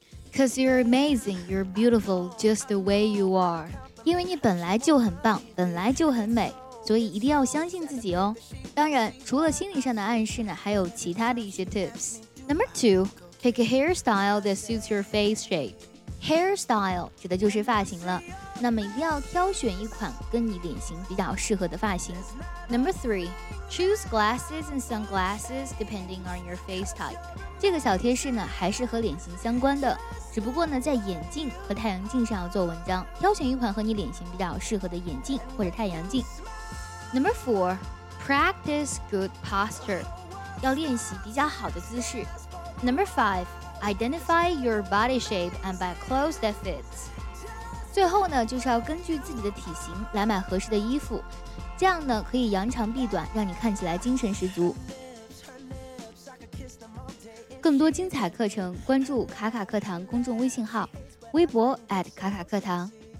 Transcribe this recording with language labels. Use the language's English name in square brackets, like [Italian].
[English] Because you're amazing, you're beautiful just the way you are. [Chinese] 因为你本来就很棒，本来就很美，所以一定要相信自己哦。当然，除了心理上的暗示呢，还有其他的一些 tips. [English] Number two, pick a hairstyle that suits your face shape. [Chinese] Hairstyle 指的就是发型了，那么一定要挑选一款跟你脸型比较适合的发型。 [English] Number three, choose glasses and sunglasses depending on your face type. [Chinese] 这个小贴士呢还是和脸型相关的，只不过呢在眼镜和太阳镜上要做文章，挑选一款和你脸型比较适合的眼镜或者太阳镜。 [English] Number four, practice good posture, [Chinese] 要练习比较好的姿势。 [English] Number five, identify your body shape and buy clothes that fits. [Chinese] 最后呢就是要根据自己的体型来买合适的衣服，这样呢可以扬长避短，让你看起来精神十足。更多精彩课程关注卡卡课堂公众微信号，微博@卡卡课堂。